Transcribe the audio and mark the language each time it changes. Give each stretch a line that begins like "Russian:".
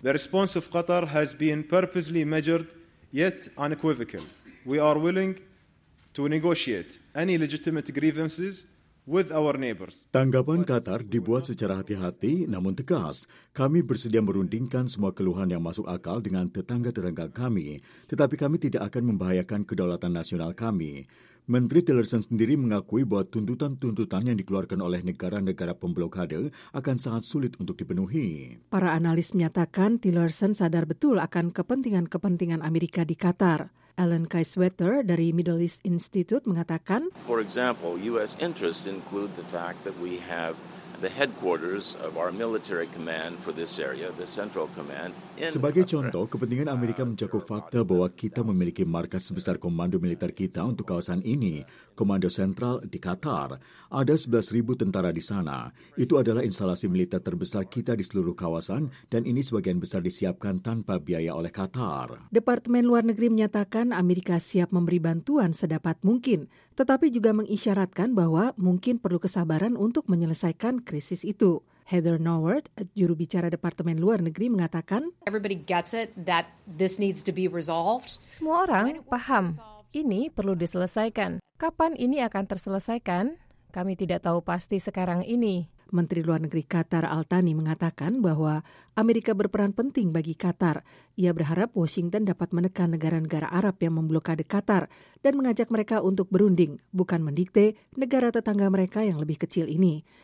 English: The response of Qatar has been purposely measured yet unequivocal. We are willing to negotiate any legitimate grievances with our neighbors.
Indonesian: Tanggapan Qatar dibuat secara hati-hati namun tegas. Kami bersedia merundingkan semua keluhan yang masuk akal dengan tetangga-tetangga kami, tetapi kami tidak akan membahayakan kedaulatan nasional kami. Menteri Tillerson sendiri mengakui bahwa tuntutan-tuntutan yang dikeluarkan oleh negara-negara pemblokade akan sangat sulit untuk dipenuhi. Para analis menyatakan Tillerson sadar betul akan kepentingan-kepentingan Amerika di Qatar. Alan Kaiswetter dari Middle East Institute mengatakan,
English: for example, US interests include the fact that we have the headquarters of our military command for this area, the central command.
Indonesian: Sebagai contoh, kepentingan Amerika mencakup fakta bahwa kita memiliki markas sebesar komando militer kita untuk kawasan ini, komando sentral di Qatar. Ada 11.000 tentara di sana. Itu adalah instalasi militer terbesar kita di seluruh kawasan dan ini sebagian besar disiapkan tanpa biaya oleh Qatar. Departemen Luar Negeri menyatakan Amerika siap memberi bantuan sedapat mungkin, tetapi juga mengisyaratkan bahwa mungkin perlu kesabaran untuk menyelesaikan krisis itu. Heather Nauert, juru bicara Departemen Luar Negeri, mengatakan,
English: everybody gets it that this needs to be resolved.
Indonesian: Semua orang paham, ini perlu diselesaikan. Kapan ini akan terselesaikan? Kami tidak tahu pasti sekarang ini. Menteri Luar Negeri Qatar Al-Thani mengatakan bahwa Amerika berperan penting bagi Qatar. Ia berharap Washington dapat menekan negara-negara Arab yang memblokade Qatar dan mengajak mereka untuk berunding, bukan mendikte negara tetangga mereka yang lebih kecil ini.